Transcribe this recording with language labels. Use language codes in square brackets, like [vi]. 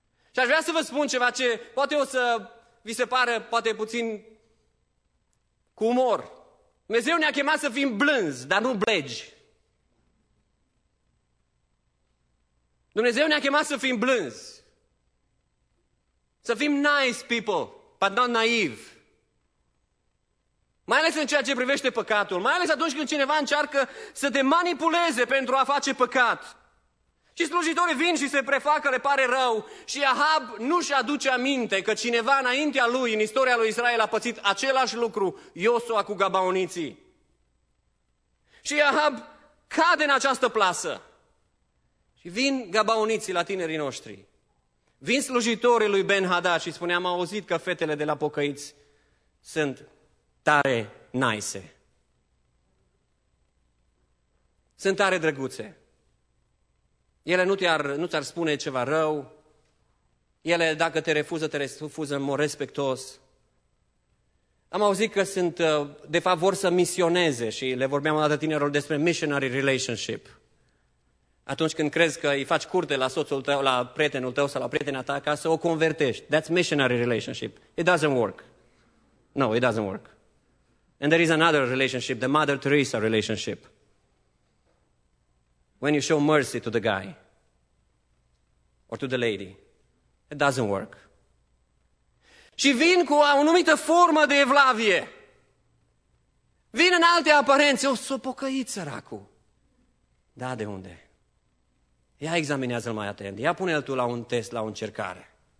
[ro] Și aș vrea să vă spun ceva ce poate o să vi se pară poate puțin cu umor. Dumnezeu ne-a chemat să fim blânzi, dar nu blegi. Dumnezeu ne-a chemat să fim blânzi. Să fim [en] nice people, but not naive. [ro] Mai ales în ceea ce privește păcatul. Mai ales atunci când cineva încearcă să te manipuleze pentru a face păcat. Și slujitorii vin și se prefac că le pare rău. Și Ahab nu și-aduce aminte că cineva înaintea lui, în istoria lui Israel, a pățit același lucru, Iosua cu gabaoniții. Și Ahab cade în această plasă. Și vin gabaoniții la tinerii noștri. Vin slujitorii lui Ben-Hadad și spuneam: am auzit că fetele de la pocăiți sunt tare nice. Sunt tare drăguțe. Ele nu ți-ar spune ceva rău. Ele, dacă te refuză, te refuză în mod respectos. Am auzit că sunt, de fapt, vor să misioneze și le vorbeam o dată tinerilor despre missionary relationship. Atunci când crezi că îi faci curte la soțul tău, la prietenul tău sau la prietena ta, ca să o convertești. [en] That's missionary relationship. It doesn't work. No, it doesn't work. And there is another relationship, the Mother Teresa relationship. When you show mercy to the guy or to the lady, it doesn't work. [ro] Și vin cu o anumită formă de evlavie. Vin în alte aparențe. O, s-o pocăit săracul. Da, de unde? Ia examinează-l mai atent. Ia pune-l tu la un test, la o încercare.